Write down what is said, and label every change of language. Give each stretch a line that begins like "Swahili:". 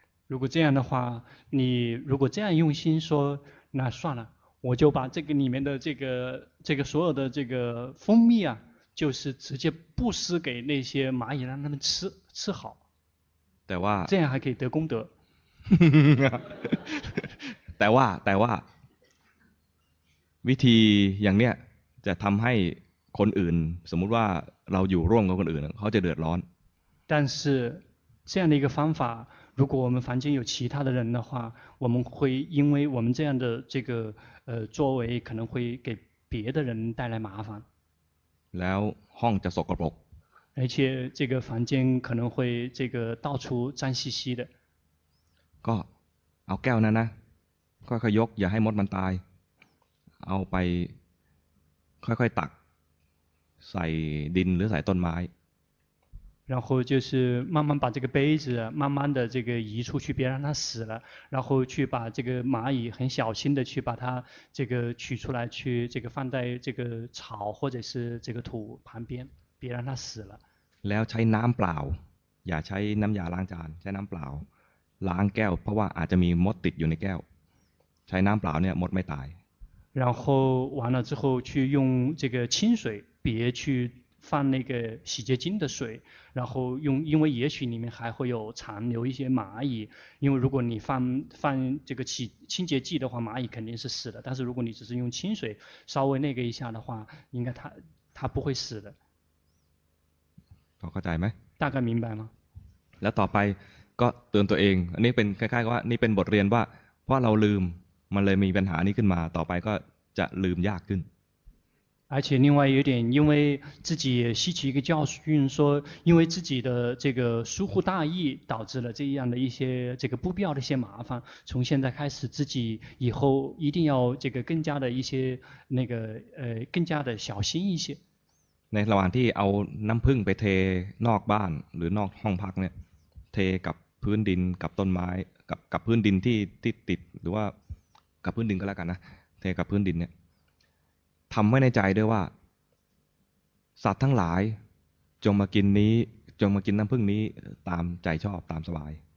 Chinese: 如果这样的话，你如果这样用心说，那算了。我就把这个里面的这个所有的这个蜂蜜啊，就是直接布施给那些蚂蚁，让他们吃好。但哇，这样还可以得功德。但哇，
Thai: วิธีอย่างเนี้ยจะทำให้คนอื่นสมมติว่าเราอยู่ร่วมกับคนอื่นเขาจะเดือดร้อน。
Chinese: 但是这样的一个方法，如果我们房间有其他的人的话，我们会因为我们这样的这个。作为可能会给别的人带来麻烦。
Thai: แล้วห้องจะสกปรก。
Chinese: 而且这个房间可能会这个到处脏兮兮的。
Thai: ก็เอาแก้วนั้นนะค่อยๆยกอย่าให้มดมันตายเอาไปค่อยๆตักใส่ดินหรือใส่ต้นไม้
Chinese: 然后就是慢慢把这个杯子慢慢的这个移出去，别让它死了，然后去把这个蚂蚁很小心的去把它这个取出来，去这个放在这个草或者是这个土旁边，别让它死了。
Thai: แล้วใช้น้ำเปล่าอย่าใช้น้ำยาล้างจานใช้น้ำเปล่าล้างแก้วเพราะว่าอาจจะมีมดติดอยู่ในแก้วใช้น้ำเปล่าเนี่ยมดไม่ตาย。
Chinese: 然后完了之后去用这个清水，别去。放那个洗洁精的水，然后用，因为也许里面还会有残留一些蚂蚁，因为如果你放这个清洁剂的话，蚂蚁肯定是死的，但是如果你只是用清水稍微那个一下的话，应该它不会死的。好，了解吗？大概明白吗？
Thai: แล้วต่อไปก็เตือนตัวเองอันนี้เป็นคล้ายๆว่านี่เป็นบทเรียนว่าเพราะเราลืมมันเลยมีปัญหานี้ขึ้นมาต่อไปก็จะลืมยากขึ้น。
Chinese: 而且另外有点，因为自己也吸取一个教训，说因为自己的这个疏忽大意，导致了这样的一些这个不必要的一些麻烦。从现在开始，自己以后一定要这个更加的一些那个更加的小心一些。
Thai: ในระหว่างที่เอาน้ำผึ้งไปเทนอกบ้านหรือนอกห้องพักเนี่ยเทกับพื้นดินกับต้นไม้กับพื้นดินที่ติดหรือว่ากับพื้นดินก็แล้วกันนะเทกับพื้นดินเนี่ยทำไว้ในใจด้วยว่าสัตว์ทั้งหลายจงมากินนี้จงมากินน้ำผึ้งนี้ตามใจชอบตามสบาย